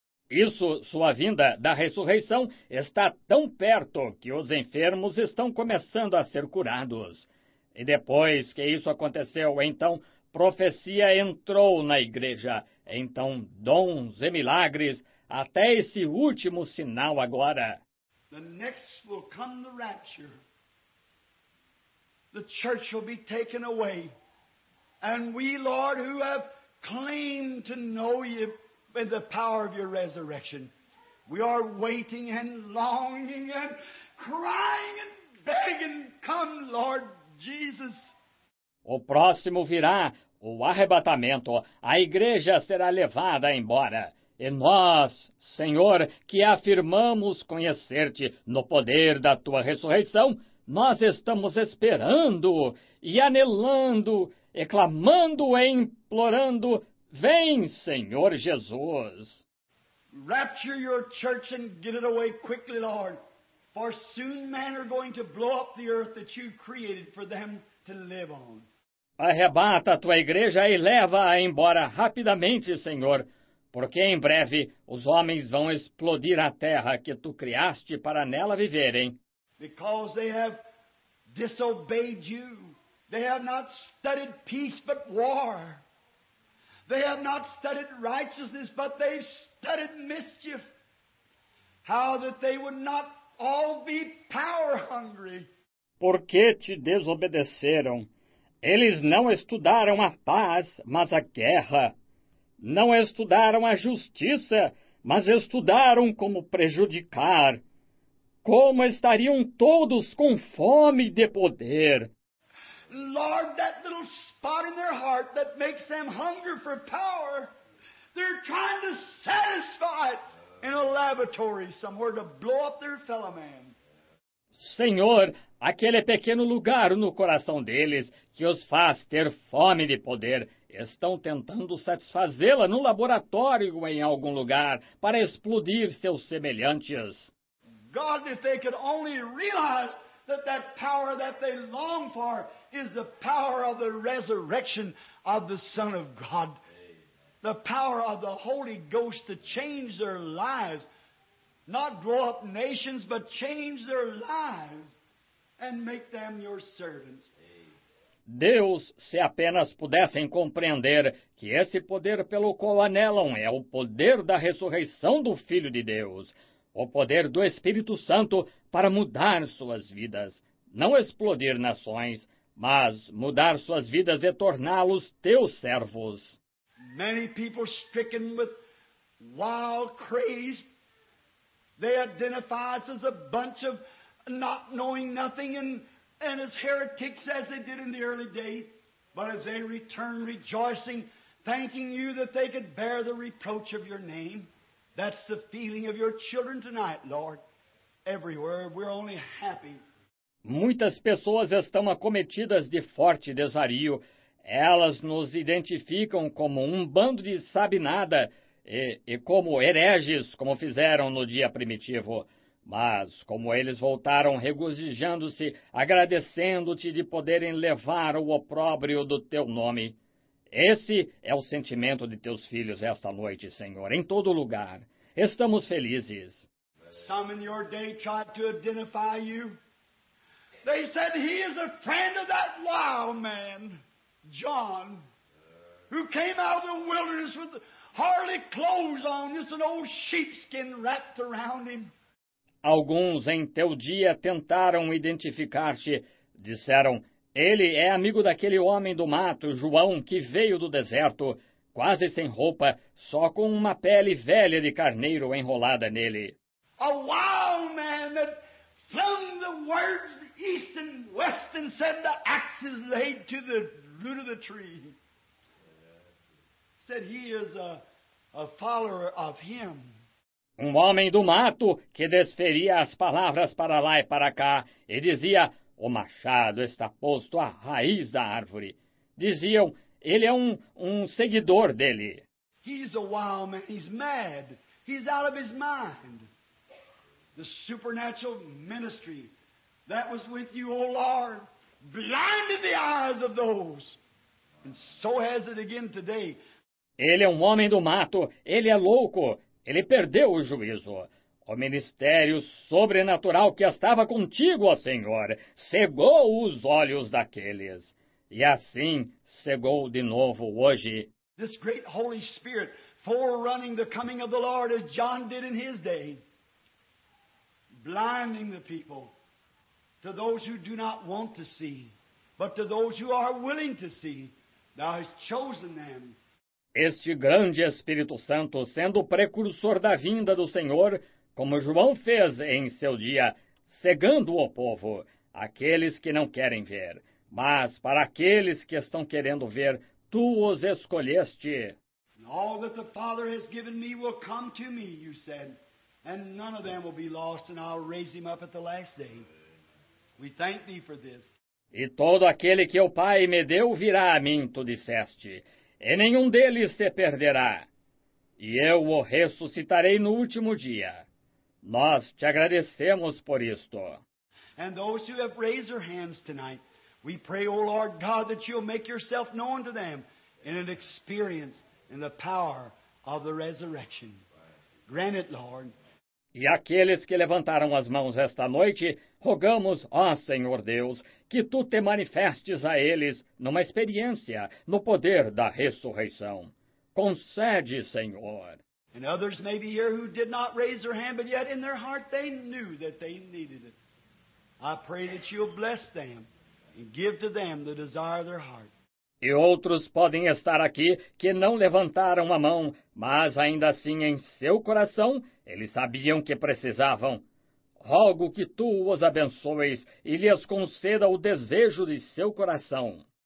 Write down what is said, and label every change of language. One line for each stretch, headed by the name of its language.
Portuguese: Isso, sua vinda da ressurreição, está tão perto que os enfermos estão começando a ser curados. E depois que isso aconteceu, então, profecia entrou na igreja. Então, dons e milagres, até esse último sinal agora.
English: The next will come the rapture. The church will be taken away. And we, Lord, who have claim to know you by the power of your resurrection. We are waiting and longing and crying and begging, come, Lord Jesus.
Portuguese: O próximo virá, o arrebatamento. A igreja será levada embora. E nós, Senhor, que afirmamos conhecer-te no poder da tua ressurreição, nós estamos esperando e anelando, reclamando e implorando, vem, Senhor Jesus.
English: Rapture your church and get it away quickly, Lord. For soon men are going to blow up the earth that you created for them to live on.
Portuguese: Arrebata a tua igreja e leva-a embora rapidamente, Senhor, porque em breve os homens vão explodir a terra que tu criaste para nela viverem.
English: Because they have disobeyed you. They have not studied peace but war. They have not studied righteousness but they studied mischief. How that they would not all be power hungry.
Portuguese: Porque te desobedeceram. Eles não estudaram a paz, mas a guerra. Não estudaram a justiça, mas estudaram como prejudicar. Como estariam todos com fome de poder?
English: Lord, that little spot in their heart that makes them hunger for power, they're trying to satisfy it in a laboratory somewhere to blow up their fellow man.
Portuguese: Senhor, aquele pequeno lugar no coração deles que os faz ter fome de poder, estão tentando satisfazê-la no laboratório ou em algum lugar para explodir seus semelhantes.
English: God, if they could only realize that that power that they long for is the power of the resurrection of the Son of God, the power of the Holy Ghost to change their lives. Not grow up nations, but change their lives and make them your servants.
Portuguese: Deus, se apenas pudessem compreender que esse poder pelo qual anelam é o poder da ressurreição do Filho de Deus, o poder do Espírito Santo para mudar suas vidas, não explodir nações, mas mudar suas vidas e torná-los teus servos.
English: Many people stricken with wild craze. They identify us as a bunch of not knowing nothing and as heretics as they did in the early days. But as they return rejoicing, thanking you that they could bear the reproach of your name, that's the feeling of your children tonight, Lord. Everywhere, we're only happy.
Portuguese: Muitas pessoas estão acometidas de forte desvario. Elas nos identificam como um bando de sabe-nada, E como hereges, como fizeram no dia primitivo. Mas como eles voltaram regozijando-se, agradecendo-te de poderem levar o opróbrio do teu nome. Esse é o sentimento de teus filhos esta noite, Senhor, em todo lugar. Estamos felizes.
English: Some in your day tried to identify you. They said he is a friend of that wild man, John, who came out of the wilderness with hardly clothes on, just an old sheepskin wrapped around him.
Portuguese: Alguns em teu dia tentaram identificar-te. Disseram, ele é amigo daquele homem do mato, João, que veio do deserto, quase sem roupa, só com uma pele velha de carneiro enrolada nele.
English: A wild man that flung the words east and west and said the axe is laid to the root of the tree. Said he is a follower of him.
Portuguese: Um homem do mato que desferia as palavras para lá e para cá e dizia, o machado está posto à raiz da árvore. Diziam, ele é um seguidor dele.
English: He's a wild man. He's mad. He's out of his mind. The supernatural ministry that was with you, O Lord, blinded the eyes of those. And so has it again today.
Portuguese: Ele é um homem do mato, ele é louco, ele perdeu o juízo. O ministério sobrenatural que estava contigo, ó Senhor, cegou os olhos daqueles. E assim cegou de novo hoje.
English: This great Holy Spirit forerunning the coming of the Lord as John did in his day. Blinding the people to those who do not want to see, but to those who are willing to see, thou hast chosen them.
Portuguese: Este grande Espírito Santo, sendo o precursor da vinda do Senhor, como João fez em seu dia, cegando o povo, aqueles que não querem ver. Mas para aqueles que estão querendo ver, tu os escolheste.
English: All that the Father has given me will come to me, you said, and none of them will be lost, and I'll raise him up at the last day. We thank thee for this.
Portuguese: E todo aquele que o Pai me deu virá a mim, tu disseste. E nenhum deles se perderá, e eu o ressuscitarei no último dia. Nós te agradecemos por isto.
English: And those who have raised their hands tonight, We pray, O Lord God, that You'll make Yourself known to them in an experience in the power of the resurrection. Grant it, Lord.
Portuguese: E aqueles que levantaram as mãos esta noite, rogamos, ó Senhor Deus, que Tu te manifestes a eles numa experiência, no poder da ressurreição. Concede, Senhor.
English: And others may be here who did not raise their hand, but yet in their heart they knew that they needed it. I pray that You'll bless them and give to them the desire of their heart.
Portuguese: E outros podem estar aqui que não levantaram a mão, mas ainda assim em seu coração eles sabiam que precisavam. Rogo que Tu os abençoes e lhes conceda o desejo de seu coração.